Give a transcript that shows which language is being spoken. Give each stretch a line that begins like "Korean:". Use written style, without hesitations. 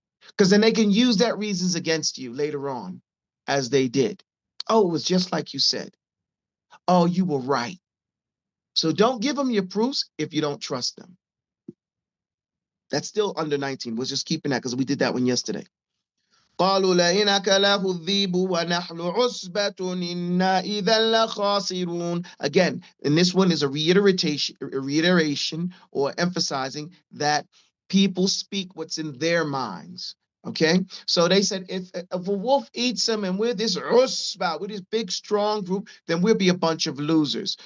English: Because then they can use that reasons against you later on, as they did. Oh, it was just like you said. Oh, you were right. So don't give them your proofs if you don't trust them. That's still under 19. We're just keeping that because we did that one yesterday.
Arabic: قالوا لئن أكله الذئب ونحن عصبة إنا إذا لخاسرون.
English: Again, and this one is a reiteration or emphasizing that people speak what's in their minds. Okay, so they said if a wolf eats them and we're this عصبة, we're this big strong group, then we'll be a bunch of losers.